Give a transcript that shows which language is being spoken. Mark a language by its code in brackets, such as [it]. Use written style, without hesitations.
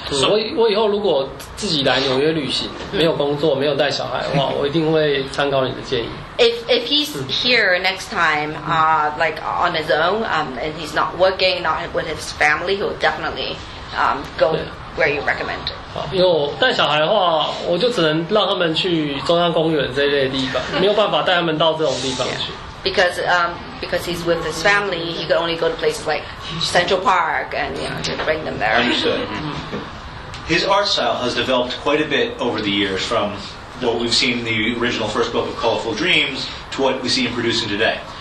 [en] So, [zh] 我以后如果自己来纽约旅行，没有工作，没有带小孩的话，我一定会参考你的建议。 [en] If he's here next time, like on his own, and he's not working, not with his family, he will definitely go where you recommend. [zh] 好，因为我带小孩的话，我就只能让他们去中央公园这一类的地方，没有办法带他们到这种地方去。 [en] Because he's with his family, he could only go to places like Central Park and, you know, to bring them there. Understood. His art style has developed quite a bit over the years from what we've seen in the original first book of Colorful Dreams to what we see him producing today.